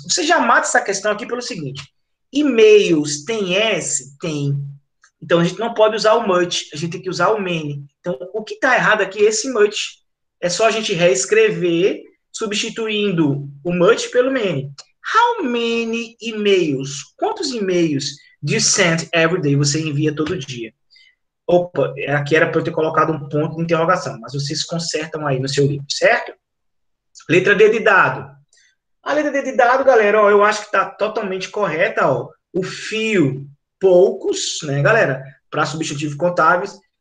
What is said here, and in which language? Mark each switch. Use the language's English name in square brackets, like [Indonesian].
[Portuguese] Você já mata essa questão aqui pelo seguinte. E-mails tem S? Tem. Então, a gente não pode usar o much. A gente tem que usar o many. Então, o que está errado aqui é esse much. É só a gente reescrever, substituindo o much pelo many. [English] How many e-mails? [Portuguese] Quantos [English] e-mails do you send every day? [Portuguese] Você envia todo dia. Opa, aqui era para eu ter colocado um ponto de interrogação, mas vocês consertam aí no seu livro, certo? Letra D de dado. A letra D de dado, galera, ó, eu acho que está totalmente correta. Ó. O few, poucos, né, galera? Para substantivos contábeis.